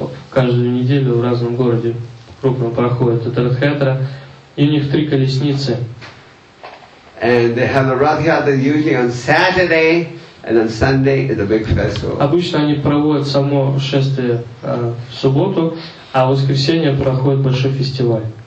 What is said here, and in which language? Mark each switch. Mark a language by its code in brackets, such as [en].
[ru] Каждую неделю в разном городе крупно проходит этот Радхаятра, и у них три колесницы. [en] And they have a Радхаятра usually on Saturday, and on Sunday is a big festival. [ru] Обычно они проводят само шествие в субботу, а в воскресенье проходит большой фестиваль.